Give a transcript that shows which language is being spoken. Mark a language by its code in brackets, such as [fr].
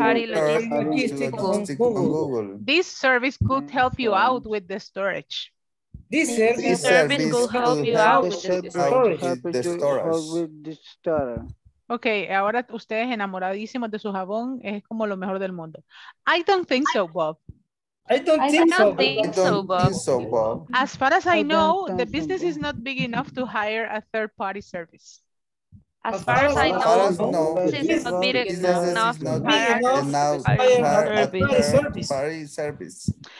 [en] I found something called third-party logistics on Google. This service could help you out with the storage. This service could help you out with the storage. [es] Okay, ahora ustedes enamoradísimos de su jabón es como lo mejor del mundo. [en] I don't think so, Bob. As far as I know, the business is not big enough to hire a third-party service. As far as I know, the business is not big enough to hire a third-party service.